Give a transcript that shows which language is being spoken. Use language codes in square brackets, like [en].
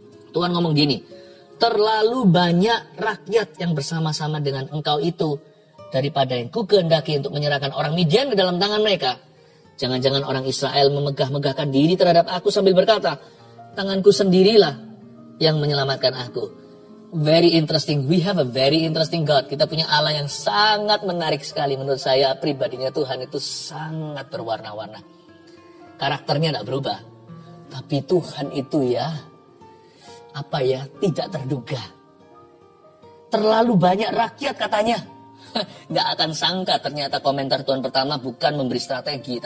[id] Tuhan ngomong gini, terlalu banyak rakyat yang bersama-sama dengan engkau itu daripada yang kukehendaki untuk menyerahkan orang Midian ke dalam tangan mereka. Jangan-jangan orang Israel memegah-megahkan diri terhadap aku sambil berkata, tanganku sendirilah yang menyelamatkan aku. [en] Very interesting, we have a very interesting God. [id] Kita punya Allah yang sangat menarik sekali. Menurut saya pribadinya Tuhan itu sangat berwarna-warna. Karakternya gak berubah. Tapi Tuhan itu ya, apa ya, tidak terduga. Terlalu banyak rakyat katanya. Gak akan sangka ternyata komentar Tuhan pertama bukan memberi strategi.